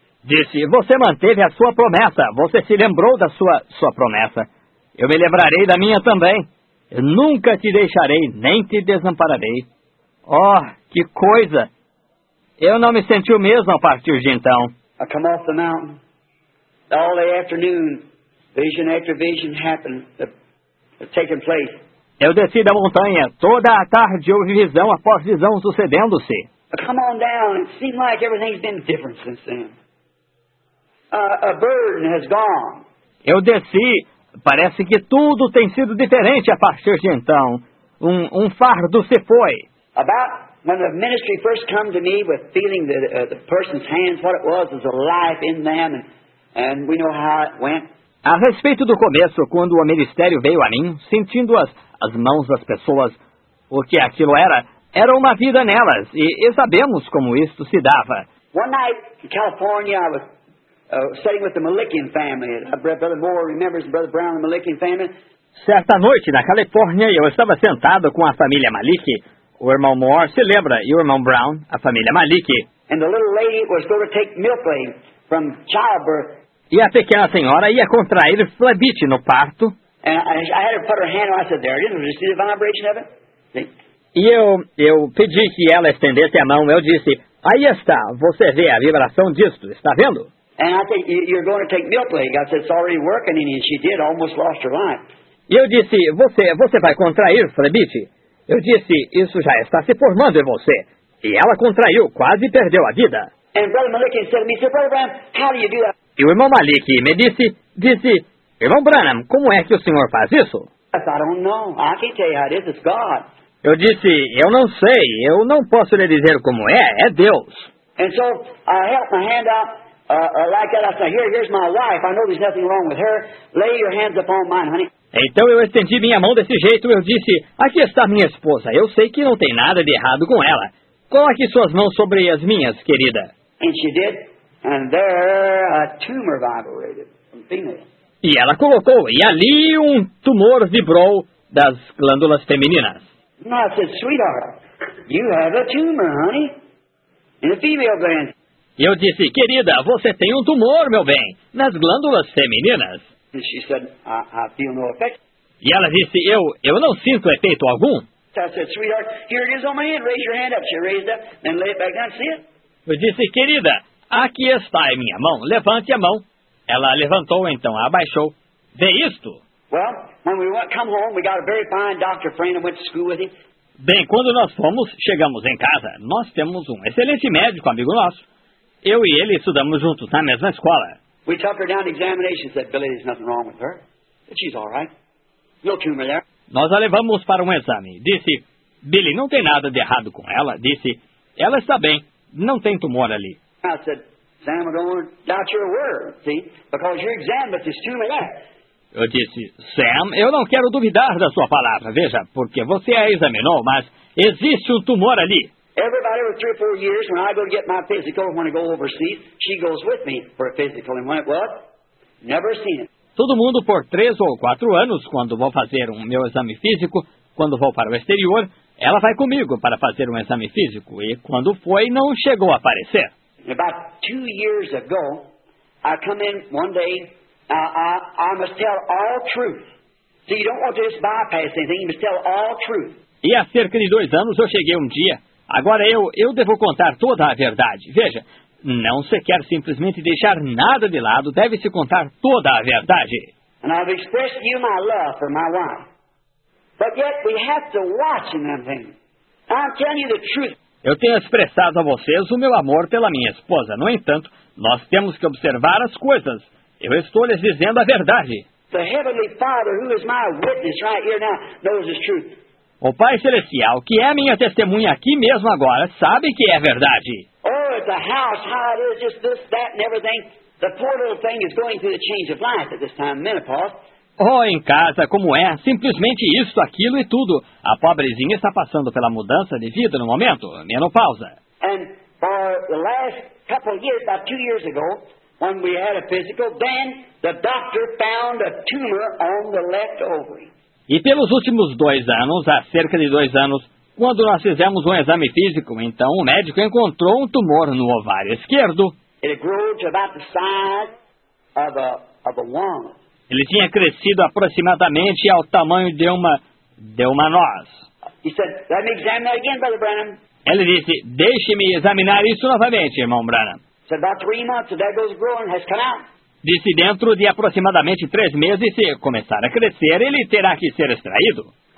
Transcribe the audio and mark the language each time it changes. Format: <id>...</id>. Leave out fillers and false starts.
<pt>Disse, você manteve a sua promessa. Você se lembrou da sua promessa. Eu me lembrarei da minha também. Eu nunca te deixarei, nem te desampararei. Oh, que coisa! Eu não me senti o mesmo a partir de então.</pt> <en>I come off the mountain. All the afternoon, vision after vision happened, taking place.</en> <pt>Eu desci da montanha. Toda a tarde houve visão após visão sucedendo-se.</pt> <en>I come on down. It seemed like everything's been different since then. A burden has gone.</en> <pt>Eu desci. Parece que tudo tem sido diferente a partir de então. Um fardo se foi.</pt> <en>About when the ministry first came to me with feeling the person's hands, what it was a life in them, and we know how it went.</en> <pt>A respeito do começo, quando o ministério veio a mim, sentindo as mãos das pessoas, o que aquilo era uma vida nelas, e sabemos como isto se dava.</pt> <en>One night in California, I was sitting with the Malikian family. Brother Moore remembers Brother Brown and the Malikian family.</en> <pt>Certa noite na Califórnia, eu estava sentado com a família Malik. O irmão Moore se lembra, e o irmão Brown, a família Malik.</pt> <en>And the little lady was going to take milk from childbirth.</en> <pt>E a pequena senhora ia contrair flebite no parto.</pt> <en>I had her put her hand on, I said, there it is. Did you see the vibration of it?</en> <pt>E eu pedi que ela estendesse a mão. Eu disse, aí está, você vê a vibração disto, está vendo?</pt> <en>And I said, you're going to take milk leg. I said, it's already working. And she did, almost lost her life.</en> <pt>E eu disse, você vai contrair flebite? Eu disse, isso já está se formando em você. E ela contraiu, quase perdeu a vida.</pt> <en>And Brother Malik said to me, Brother Branham, how do you do that?</en> <pt>E o irmão Malik me disse, irmão Branham, como é que o senhor faz isso?</pt> <en>I said, I don't know. I can't tell you how it is. It's God.</en> <pt>Eu disse, eu não sei. Eu não posso lhe dizer como é. É Deus.</pt> <en>And so I held my hand up. Here's my wife. I know there's nothing wrong with her. Lay your hands upon mine, honey.</en> <pt>Então eu estendi minha mão desse jeito. Eu disse, aqui está minha esposa. Eu sei que não tem nada de errado com ela. Coloque suas mãos sobre as minhas, querida.</pt> <en>And she did. And there a tumor vibrated from female.</en> <pt>E ela colocou. E ali um tumor vibrou das glândulas femininas.</pt> <en>And I said, sweetheart, you have a tumor, honey, in the female glands.</en> <pt>E eu disse, querida, você tem um tumor, meu bem, nas glândulas femininas.</pt> <en>And she said, I feel no effect.</en> <pt>E ela disse, eu não sinto efeito algum.</pt> <en>I said, sweetheart, here it is on my hand, raise your hand up. She raised up, then lay it back down, see it?</en> <pt>Eu disse, querida, aqui está a minha mão, levante a mão. Ela levantou, então abaixou. Vê isto?</pt> <en>Well, when we come home, we got a very fine doctor friend and went to school with him.</en> <pt>Bem, quando nós fomos, chegamos em casa, nós temos um excelente médico amigo nosso. Eu e ele estudamos juntos na mesma escola.</pt> <en>We took her down to examination and said, Billy, there's nothing wrong with her. She's all right. No tumor there.</en> <pt>Nós a levamos para um exame. Disse, Billy, não tem nada de errado com ela. Disse, ela está bem. Não tem tumor ali.</pt> <en>I said, Sam, I don't doubt your word, see? Because you examined but this tumor there.</en> <pt>Eu disse, Sam, eu não quero duvidar da sua palavra. Veja, porque você a examinou, mas existe um tumor ali.</pt> <en>Everybody with 3 or 4 years, when I go get my physical, when I go overseas, she goes with me for a physical. And went, what? Never seen it.</en> <pt>Todo mundo por 3 ou 4 anos, quando vou fazer um meu exame físico, quando vou para o exterior, ela vai comigo para fazer um exame físico. E quando foi, não chegou a aparecer.</pt> <en>About 2 years ago, I come in one day. I must tell all truth. So you don't want to just bypass anything. You must tell all truth.</en> <pt>E há cerca de 2 anos eu cheguei um dia. Agora eu devo contar toda a verdade. Veja, não se quer simplesmente deixar nada de lado. Deve-se contar toda a verdade.</pt> <en>And I've expressed to you my love for my wife. But yet we have to watch in them things. I'm telling you the truth.</en> <pt>Eu tenho expressado a vocês o meu amor pela minha esposa. No entanto, nós temos que observar as coisas. Eu estou lhes dizendo a verdade.</pt> <en>The Heavenly Father, who is my witness right here now, knows his truth.</en> <pt>O Pai Celestial, que é minha testemunha aqui mesmo agora, sabe que é verdade.</pt> <en>Oh, it's a house, how it is, just this, that, and everything. The poor little thing is going through the change of life at this time, menopause.</en> <pt>Oh, em casa, como é, simplesmente isso, aquilo e tudo. A pobrezinha está passando pela mudança de vida no momento, menopausa.</pt> <en>And for the last couple of years, about 2 years ago, when we had a physical, then the doctor found a tumor on the left ovary.</en> <pt>E pelos últimos 2 anos, há cerca de 2 anos, quando nós fizemos um exame físico, então o médico encontrou um tumor no ovário esquerdo.</pt> <en>It grew to about the size of a walnut.</en> <pt>Ele tinha crescido aproximadamente ao tamanho de uma noz.</pt> <en>He said, let me examine that again, Brother Branham.</en> <pt>Ele disse, deixe-me examinar isso novamente, irmão Branham.</pt> <en>He said, about 3 months, that goes growing, has come out.</en> <pt>Disse, dentro de aproximadamente 3 meses, se começar a crescer, ele terá que ser extraído.</pt>